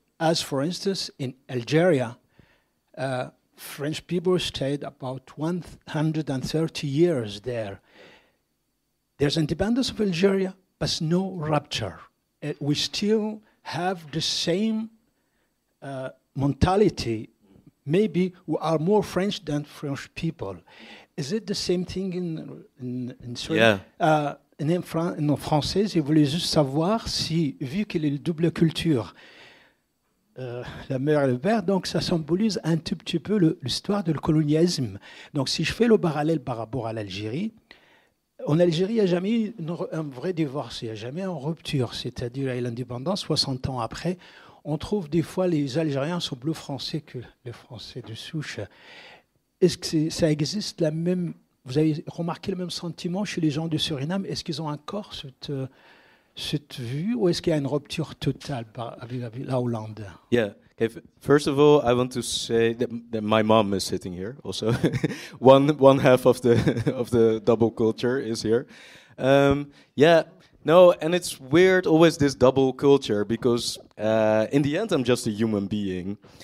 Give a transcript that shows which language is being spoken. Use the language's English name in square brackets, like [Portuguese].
[English] As for instance, in Algeria, French people stayed about 130 years there. There's independence of Algeria, but no rupture. We still have the same mentality. Maybe we are more French than French people. Is it the same thing in Suriname? Yeah. [French] En français, je voulais juste savoir si, vu qu'il est double culture, la mère et le père, donc ça symbolise un tout petit peu l'histoire du colonialisme. Donc si je fais le parallèle par rapport à l'Algérie, en Algérie, il n'y a jamais eu un vrai divorce, il n'y a jamais eu une rupture, c'est-à-dire l'indépendance, 60 ans après. On trouve des fois les Algériens sont plus français que les Français de souche. Est-ce que ça existe la même... Vous avez remarqué le même sentiment chez les gens du Suriname? Est-ce qu'ils ont encore cette vue ou est-ce qu'il y a une rupture totale avec la Hollande? [English] Yeah. Okay. First of all, I want to say that my mom is sitting here also. one half of the double culture is here. Yeah. No, and it's weird always this double culture because in the end I'm just a human being.